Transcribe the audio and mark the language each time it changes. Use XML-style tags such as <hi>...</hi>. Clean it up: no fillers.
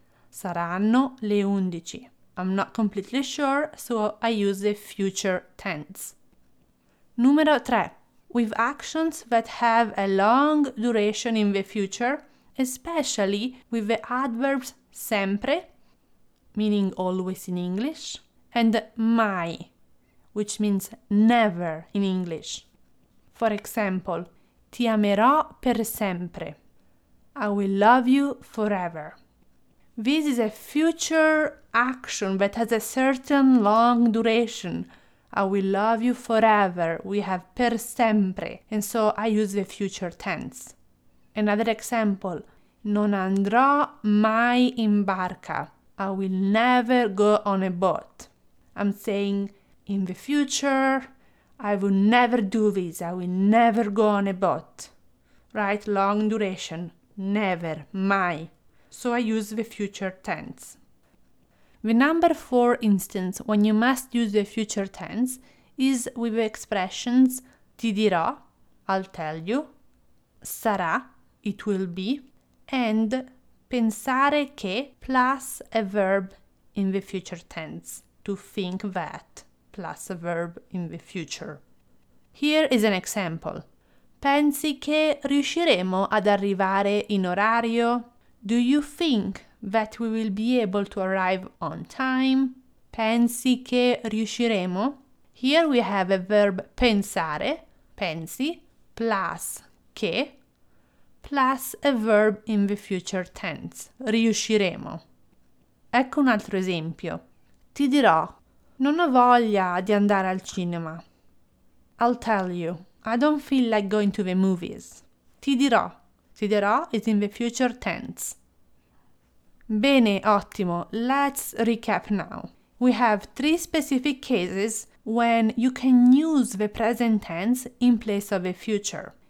<it>Saranno le 11.</it> <en>I'm not completely sure, so I use the future tense.</en> <it>Numero 3.</it> <en>With actions that have a long duration in the future, especially with the adverbs sempre, meaning always in English, and mai, which means never in English. For example,</en> <it>ti amerò per sempre.</it> <en>I will love you forever. This is a future action that has a certain long duration. I will love you forever. We have</en> <it>per sempre.</it> <en>And so I use the future tense. Another example.</en> <it>Non andrò mai in barca.</it> <en>I will never go on a boat. I'm saying in the future, I will never do this. I will never go on a boat. Right? Long duration. Never. Mai. So I use the future tense. The number 4 instance when you must use the future tense is with the expressions</en> <it>ti dirò,</it> <en>I'll tell you, sarà, it will be, and pensare che plus a verb in the future tense, to think that plus a verb in the future. Here is an example.</en> <it>Pensi che riusciremo ad arrivare in orario?</it> <en>Do you think that we will be able to arrive on time?</en> <it>Pensi che riusciremo?</it> <en>Here we have a verb pensare, pensi, plus che, plus a verb in the future tense, riusciremo.</en> <it>Ecco un altro esempio. Ti dirò, non ho voglia di andare al cinema.</it> <en>I'll tell you, I don't feel like going to the movies.</en> <it>Ti dirò</it> <en>is in the future tense.</en> <it>Bene, ottimo.</it> <en>Let's recap now. We have 3 specific cases when you can use the present tense in place of the future.</en>